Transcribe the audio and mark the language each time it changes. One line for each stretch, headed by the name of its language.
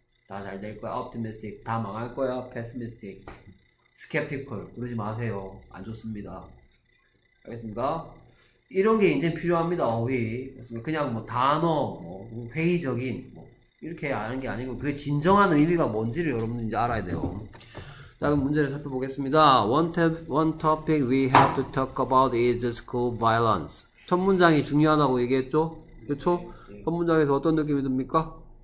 Korean: 다 잘 될 거야. 옵티미스틱. 다 망할 거야. 패시미스틱. 스케프티컬. 그러지 마세요. 안 좋습니다. 알겠습니까? 이런 게 이제 필요합니다. 어휘. 그냥 뭐 단어, 뭐 회의적인 뭐 이렇게 아는 게 아니고 그게 진정한 의미가 뭔지를 여러분들 이제 알아야 돼요. 자, 그럼 문제를 살펴보겠습니다.
English: One topic we have to talk about is school violence.
Korean: 첫 문장이 중요하다고 얘기했죠? 그렇죠? 첫 문장에서 어떤 느낌이 듭니까?